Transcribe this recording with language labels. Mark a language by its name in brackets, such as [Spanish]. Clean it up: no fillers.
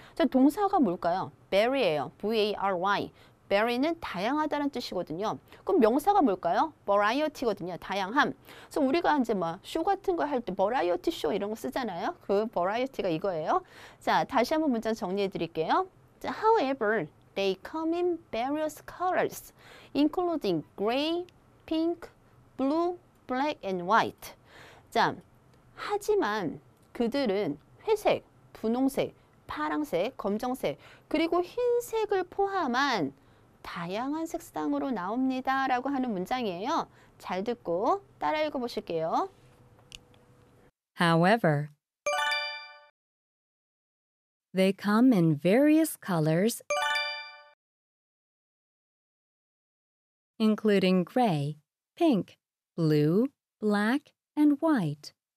[Korean] 자, 동사가 뭘까요? vary예요. V-A-R-Y. vary는 다양하다는 뜻이거든요. 그럼 명사가 뭘까요? variety거든요. 다양함. 그래서 우리가 이제 뭐 쇼 같은 거 할 때 variety show 이런 거 쓰잖아요. 그 variety가 이거예요. 자, 다시 한번 문장 정리해 드릴게요. [English] 자, however, they come in various colors, including gray, pink, blue, black, and white. [Korean] 자, 하지만 그들은 회색, 분홍색, 파랑색, 검정색, 그리고 흰색을 포함한 다양한 색상으로 나옵니다 라고 하는 문장이에요. 잘 듣고 따라 읽어 보실게요. [English] However, they come in various colors, including gray, pink, blue, black, and white.